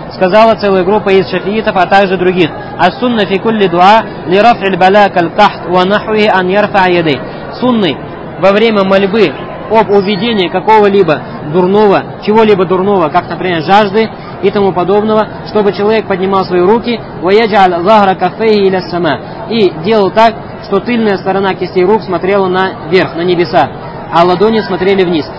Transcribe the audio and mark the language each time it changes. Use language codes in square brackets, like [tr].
[ru] Сказала целая группа из шафиитов, а также других. [ar] السنة في كل دعاء لرفع البلاء كالقحط ونحوه أن يرفع يديه. [ru] Сунны во время мольбы об уведении какого-либо дурного, чего-либо дурного, как, например, жажды и тому подобного, чтобы человек поднимал свои руки, [ar] ويجعل ظهر كفيه إلى السماء, [ru] и делал так, что тыльная сторона кистей рук смотрела наверх, на небеса, а ладони смотрели вниз.